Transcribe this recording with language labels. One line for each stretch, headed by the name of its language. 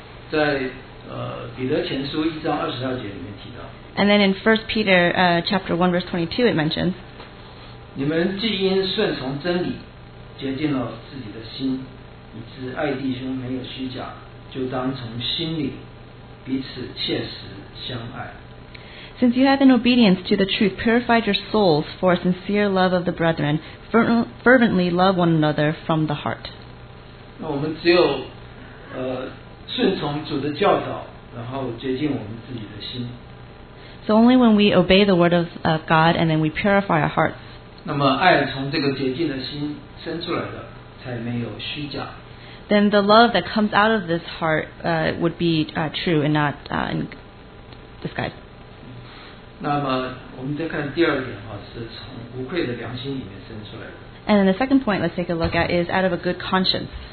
Chinese: 在彼得前书一章二十二节里面提到。
English: And then in 1 Peter chapter 1 verse 22 it mentions.
Chinese: 你们既因顺从真理，洁净了自己的心，以致爱弟兄没有虚假，就当从心里彼此切实相爱。
English: Since you have in obedience to the truth purified your souls for a sincere love of the brethren, fervently love one another from the heart.
Chinese: 那我们只有顺从主的教导，然后洁净我们自己的心。
English: So only when we obey the word of God and then we purify our hearts.
Chinese: 那么爱从这个洁净的心生出来的，才没有虚假。
English: Then the love that comes out of this heart would be true and not disguised.
Chinese: 那么我们再看第二点哈，是从无愧的良心里面生出来的。
English: And then the second point, let's take a look at is out of a good conscience.